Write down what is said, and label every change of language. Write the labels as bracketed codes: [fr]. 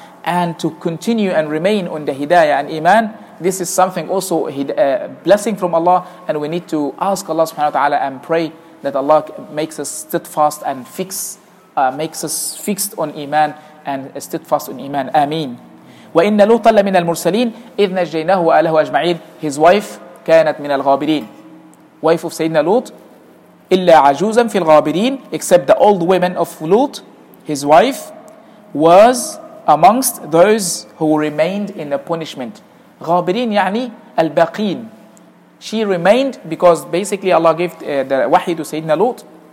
[en] And to continue and remain on the hidayah and iman, this is something also a blessing from Allah, and we need to ask Allah subhanahu wa ta'ala and pray that Allah makes us steadfast and makes us fixed on iman and steadfast on iman. Ameen. [ar] وَإِنَّ لُوطًا لَمِنَ الْمُرْسَلِينَ إِذْ نَجَّيْنَهُ وَأَهْلَهُ أَجْمَعِينَ. [en] His wife [ar] كَانَتْ مِنَ الْغَابِرِينَ. [en] wife of Sayyidina Lut, [ar] إِلَّا عَجُوزًا فِي الْغَابِرِينَ, [en] except the old women of Lut, his wife, was amongst those who remained in the punishment. [ar] غابرين يعني الباقين. [en] She remained because basically Allah gave the wahi to Sayyidina Lut.